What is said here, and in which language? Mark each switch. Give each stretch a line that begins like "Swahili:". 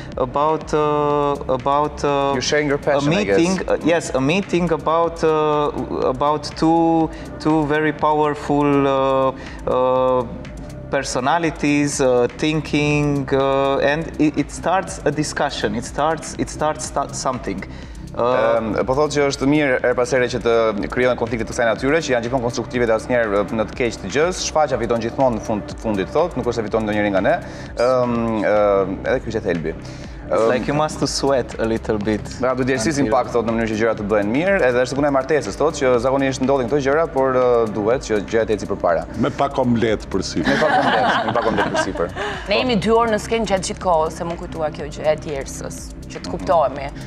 English: you're sharing your passion, a meeting. Yes, a meeting about two very powerful personalities thinking, and it starts a discussion. It starts something.
Albanian: Po thotë që është mirë erë pasere që të kryohen konflikte të kësaj natyre, që janë gjithmonë konstruktive dhe asnjëherë në të keq të gjës. Shfaqja fiton gjithmonë në fundit, thotë, nuk është se fiton ndonjëri nga ne. Edhe kjo është thelbi.
English: It's like you must to sweat a little bit.
Albanian: Pra, duhet djersisin pak, thotë, në mënyrë që gjërat të bëjnë mirë, edhe është puna e martesës, thotë, që zakonisht ndodhin këto gjëra, por duhet që gjërat eci përpara. Me pak omlet për sipër. Me pak omlet për sipër. Ne jemi 2 orë në skenë gjatë gjithë kohës, se më kujtua kjo gjë e djersës, që të kuptohemi.